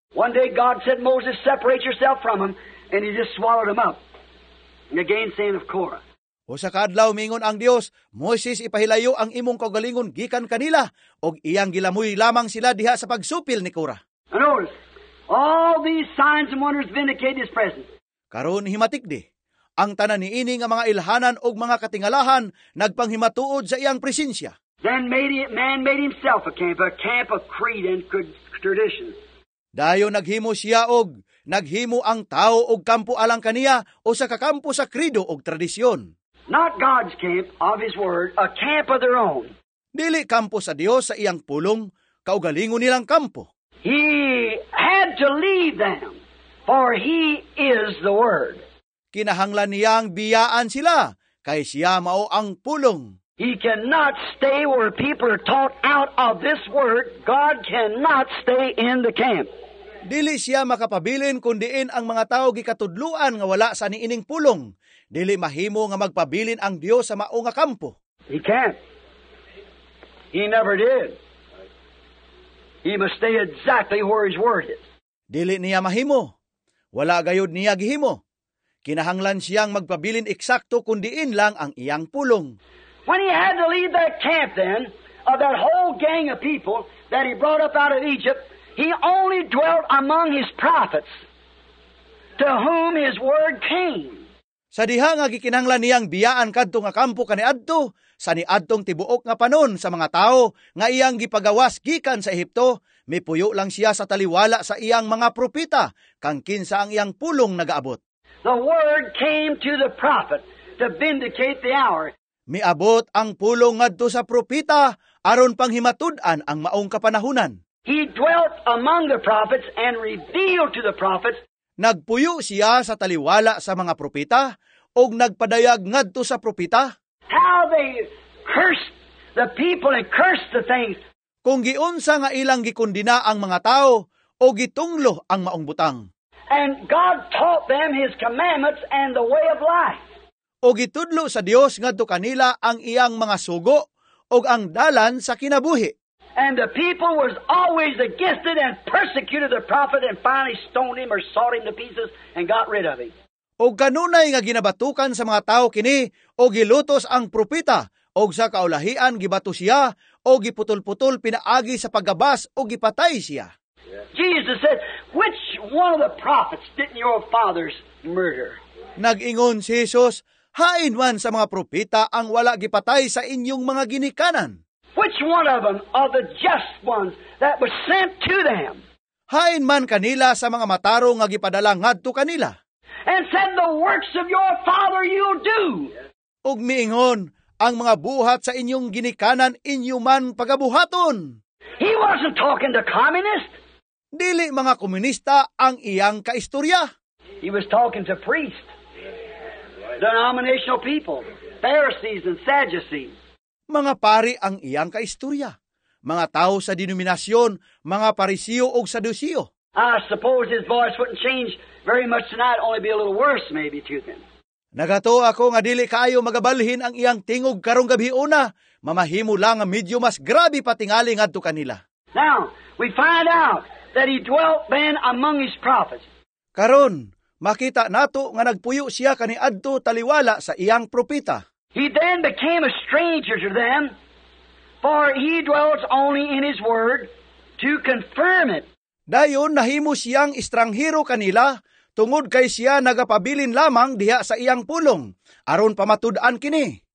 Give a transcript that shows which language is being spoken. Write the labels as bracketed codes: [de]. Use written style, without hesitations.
[en] One day God said, Moses, separate yourself from him. And he just swallowed him up. And again, saying of Korah. [ceb] O sa kaadlaw, mingon ang Dios, Moses, ipahilayo ang imong kagalingon gikan kanila, og iyang gilamoy lamang sila diha sa pagsupil ni Korah. [en] And notice, all these signs and wonders vindicate his presence. [ceb] Karon himatikdi, ang tanan niini nga mga ilhanan og mga katingalahan nagpanghimatuod sa iyang presensya. [en] Then man made himself a camp of creed and good tradition. [ceb] Dayo naghimo siya og naghimo ang tao og kampo alang kaniya o sa kakampo sa kredo og tradisyon. [en] Not God's camp of his word, a camp of their own. [ceb] Dili kampo sa Dios sa iyang pulong, kaugalingon nilang kampo. [en] He had to leave them, for he is the Word. [ceb] Kinahanglan niyang biyaan sila, kay siya mao ang pulong. [en] He cannot stay where people are taught out of this Word. God cannot stay in the camp. [ceb] Dili siya makapabilin kundiin ang mga tao gikatudluan nga wala sa niining pulong. Dili mahimo nga magpabilin ang Dios sa maong kampo. [en] He can't. He never did. He must stay exactly where his word is. [ceb] Dili niya mahimo. Wala gayud niya gihimo. Kinahanglan siyang magpabilin eksakto kundiin lang ang iyang pulong. [en] When he had to leave that camp then, of that whole gang of people that he brought up out of Egypt, he only dwelt among his prophets to whom his word came. [ceb] Sa diha nga gikinanglan niyang biyaan kadto nga kampo kaniadto sa niadtong tibuok nga panon sa mga tao nga iyang gipagawas gikan sa Ehipto, mipuyo lang siya sa taliwala sa iyang mga propeta kang kinsa ang iyang pulong nagaabot. [en] The word came to the prophet to vindicate the hour. [ceb] Miabot ang pulong ngadto sa propeta aron panghimatud-an ang maong kapanahunan. [en] He dwelt among the prophets and revealed to the prophets. [ceb] Nagpuyo siya sa taliwala sa mga propeta ug nagpadayag ngadto sa propeta. [en] How they cursed the people and cursed the things. [ceb] Kung giunsa nga ilang gikundina ang mga tao o gitunglo ang maong butang. [en] And God taught them his commandments and the way of life. [ceb] O gitudlo sa Dios ngadto kanila ang iyang mga sugo ug ang dalan sa kinabuhi. [en] And the people was always against it and persecuted the prophet and finally stoned him or sawed him to pieces and got rid of him. [ceb] O ganunay nga ginabatukan sa mga tao kini o gilutos ang propeta o sa kaulahian gibato siya o giputol-putol pinaagi sa paggabas o gipatay siya. [en] Yeah. Jesus said, which one of the prophets didn't your fathers murder? [ceb] Nag-ingon si Jesus, hain man sa mga propeta ang wala gipatay sa inyong mga ginikanan. [en] Which one of them are the just ones that was sent to them? [ceb] Hain man kanila sa mga matarong nga gipadala ngadto kanila. [en] And said, the works of your father you'll do. [ceb] Ug miingon, ang mga buhat sa inyong ginikanan inyo man pagabuhaton. [en] He wasn't talking to communists. [ceb] Dili mga komunista ang iyang kaistorya. [en] He was talking to priests, denominational people, Pharisees and Sadducees. [ceb] Mga pari ang iyang kaistorya. Mga tao sa denominasyon, mga parisiyo o saduceo. [en] I suppose his voice wouldn't change very much tonight, only be a little worse maybe to them. [ceb] Nagato ako nga dili kaayo magabalhin ang iyang tingog karong gabi una, mamahimo lang ang medyo mas grabe patingali ngadto kanila. [en] Now, we find out that he dwelt then among his prophets. [ceb] Karon, makita nato nga nagpuyo siya kaniadto taliwala sa iyang propeta. [en] He then became a stranger to them, for he dwells only in his word to confirm it. [ceb] Dayon nahimo siyang estranghero kanila tungod kay siya nagapabilin lamang diha sa iyang pulong aron pamatud-an kini.